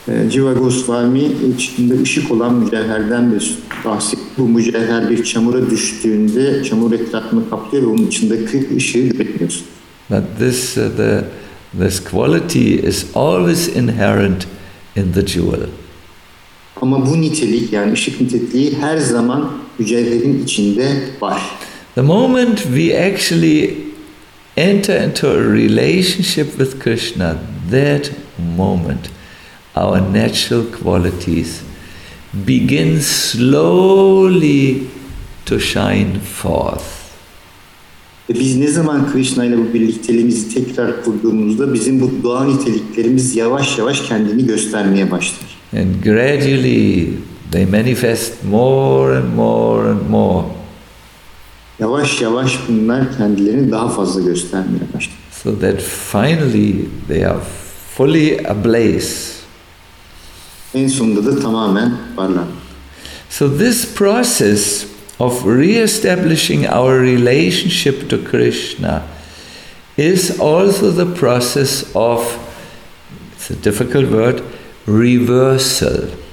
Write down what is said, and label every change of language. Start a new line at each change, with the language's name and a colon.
Turkish: Jiva Goswami içinde ışık olan mücevherden de bahsediyor. Bu mücevher bir çamura düştüğünde çamur etrafını kaplıyor ve onun içinde kırk ışığı görüyoruz.
English: But this quality is always inherent in the jewel.
Turkish: Ama bu nitelik, yani ışık niteliği her zaman mücevherin içinde var.
English: The moment we actually enter into a relationship with Krishna, that moment our natural qualities begin slowly to shine forth.
Turkish: Biz ne zaman Krishna ile bu birlikteliğimizi tekrar kurduğumuzda bizim bu doğal niteliklerimiz yavaş yavaş kendini göstermeye başlar.
English: And gradually they manifest more and more and more.
Turkish: Yavaş yavaş bunlar kendilerini daha fazla göstermeye başlar.
English: So that finally they are fully ablaze.
Turkish: En sonunda da tamamen varlar.
English: So this process of re-establishing our relationship to Krishna is also the process of, it's a difficult word, reversal.